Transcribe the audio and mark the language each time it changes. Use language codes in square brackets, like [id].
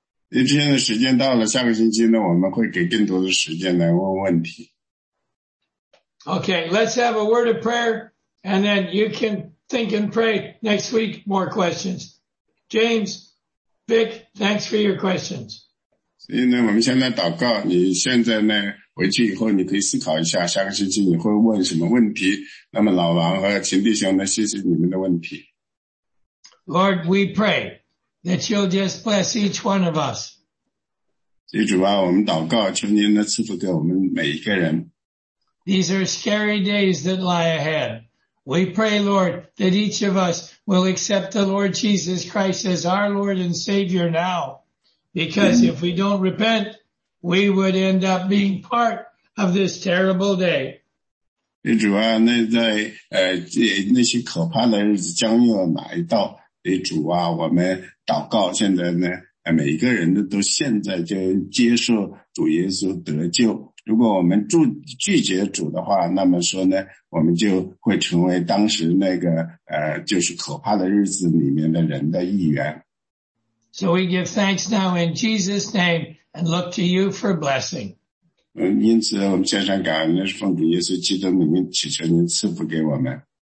[zh] 今天的时间到了，下个星期呢，我们会给更多的时间来问问题。 [en] Okay, let's have a word of prayer. And then you can think and pray next week. More questions. James, Vic, thanks for your questions. [zh] 所以呢，我们现在祷告。你现在呢，回去以后你可以思考一下，下个星期你会问什么问题。那么老王和秦弟兄呢，谢谢你们的问题。 [en] Lord, we pray that you'll just bless each one of us. [zh] 所以主啊，我们祷告，求您呢赐福给我们每一个人。 [en] These are scary days that lie ahead. We pray, Lord, that each of us will accept the Lord Jesus Christ as our Lord and Savior now. Because if we don't repent, we would end up being part of this terrible day. [zh] 主啊，那在那些可怕的日子将要来到，主啊，我们祷告现在呢，每一个人都现在就接受主耶稣得救。如果我们拒绝主的话，那么说呢，我们就会成为当时那个就是可怕的日子里面的人的一员。 [en] So we give thanks now in Jesus' name and look to you for blessing. [zh] 因此我们献上感恩，奉主耶稣基督里面祈求您赐福给我们。